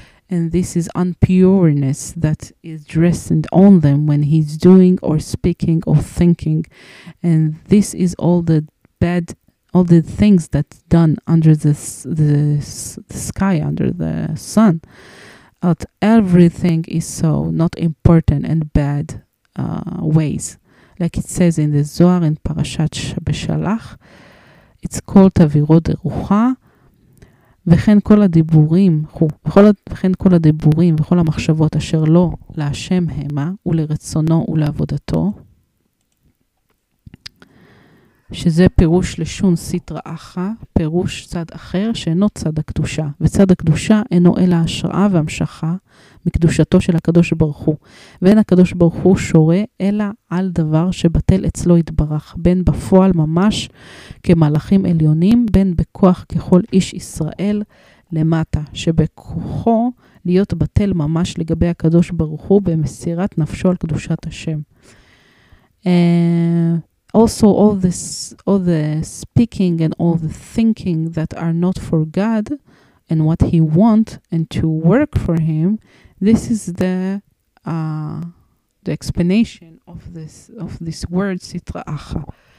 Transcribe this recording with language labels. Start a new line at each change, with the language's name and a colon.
English: And this is unpureness that is dressed on them when he's doing or speaking or thinking. And this is all the bad, all the things that's done under the sky, under the sun. But everything is so not important and bad ways. Like it says in the Zohar in Parashat Shabbashalach, it's called Tavirot Erucha,
Hebrew: וכן כל הדיבורים, וכן כל הדיבורים וכל המחשבות אשר לא להשם המה ולרצונו ולעבודתו, שזה פירוש לשון סיטרא אחרא, פירוש צד אחר שאינו צד הקדושה, וצד הקדושה אינו אלא השראה והמשכה מקדושתו של הקדוש ברוך הוא, ואין הקדוש ברוך הוא שורה אלא על דבר שבטל אצלו יתברך, בין בפועל ממש כמלאכים עליונים, בין בכוח ככל איש ישראל למטה, שבכוחו להיות בטל ממש לגבי הקדוש ברוך הוא במסירת נפשו על קדושת השם.
English: Also all this, all the speaking and all the thinking that are not for God and what he want and to work for him, this is the explanation of this word sitra acha.